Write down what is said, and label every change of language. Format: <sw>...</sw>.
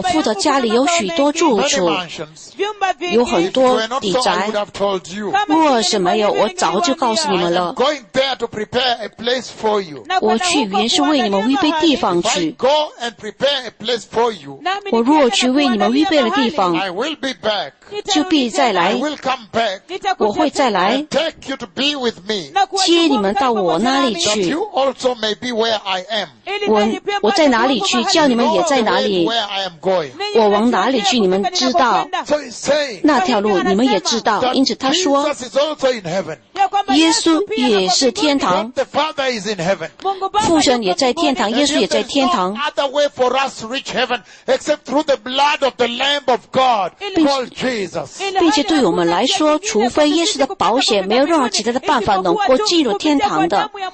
<zh>在我父的家里有许多住处, 有很多邸宅, 若什么有, 我早就告诉你们了,</zh> <en>I'm going there to prepare a place for you.</en> <zh>我去原是为你们预备地方去,</zh> <en>I go and prepare a place for you.</en> <zh>我若去为你们预备了地方,</zh> <en>I will be back.</en> <zh>就必再来,</zh> <en>I will come back.</en> <zh>我会再来,</zh> <en>and take you to be with me.</en> <zh>接你们到我那里去,</zh> <en>that you also may be where I am.</en> <zh>我在哪里去, 叫你们也在哪里,</zh> <en>I am going.</en> <zh>我往哪里去, 你们知道,</zh> <en>so he's saying,</en> <zh>那条路你们也知道, 因此他说,</zh> <en>Jesus is also in heaven.</en> <zh>耶稣也是天堂,</zh> <en>God the Father is in heaven.</en> <zh>父神也在天堂, 耶稣也在天堂,</zh> <en>and if there's no other way for us to reach heaven except through the blood of the Lamb of God called Jesus.</en> <zh>并且对我们来说, 除非耶稣的宝血, 没有任何其他的办法能够进入天堂的,</zh>